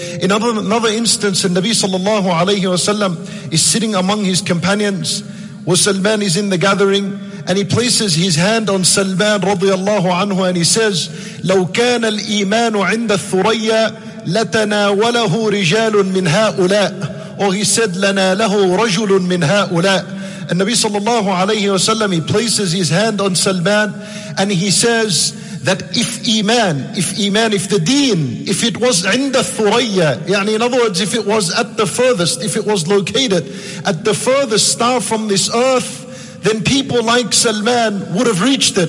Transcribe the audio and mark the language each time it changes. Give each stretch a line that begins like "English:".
English: In another instance, and Nabi sallallahu alayhi wa sallam is sitting among his companions, where Salman is in the gathering, and he places his hand on Salman radiyallahu anhu and he says,
Arabic: لو كان الإيمان عند الثريا لتناوله رجال من هؤلاء.
English: Or he said,
Arabic: لنا له رجل من هؤلاء.
English: And Nabi sallallahu alayhi wa sallam, he places his hand on Salman and he says that if the deen was inda thuriyya, yani in other words, if it was at the furthest, if it was located at the furthest star from this earth, then people like Salman would have reached it.